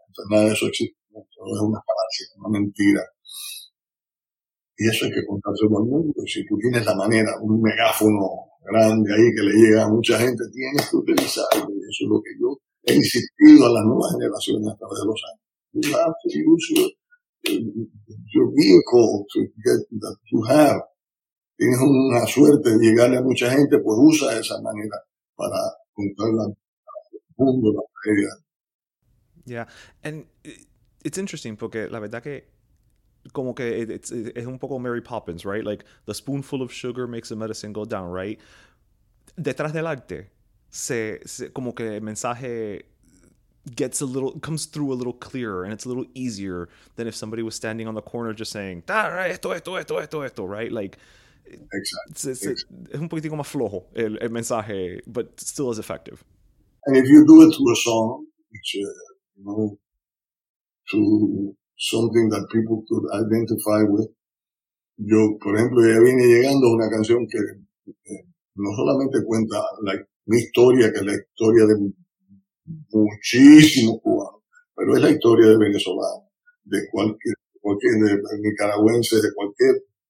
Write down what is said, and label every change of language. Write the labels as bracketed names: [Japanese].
[Spanish] Nada de eso existe, todo es una falacia, una mentira. Y eso hay que contárselo al mundo. Si tú tienes la manera, un megáfono grande ahí que le llega a mucha gente, tienes que utilizarlo. Y eso es lo que yo he insistido a las nuevas generaciones a través de los años. [English] You have to use your vehicle to get that you have. [Spanish] Tienes una suerte de llegarle a mucha gente, pues usa esa manera para contarle al mundo la tragedia. [English] Yeah, and it's interesting [Spanish] porque la verdad que como que es un poco Mary Poppins, right? [English] Like, the spoonful of sugar makes the medicine go down, right? [Spanish] Detrás del arte, se como que el mensaje [English] gets a little, comes through a little clearer, and it's a little easier than if somebody was standing on the corner just saying, esto, right? Like, exactly. [Spanish] Es un poquitico más flojo el mensaje, [English] but still as effective. And if you do it to a song, which to something that people could identify with. [Spanish] Yo, por ejemplo, ya vine llegando a una canción que no solamente cuenta mi historia, que es la historia de muchísimos cubanos, pero es la historia de venezolanos, de cualquier nicaragüense, de cualquier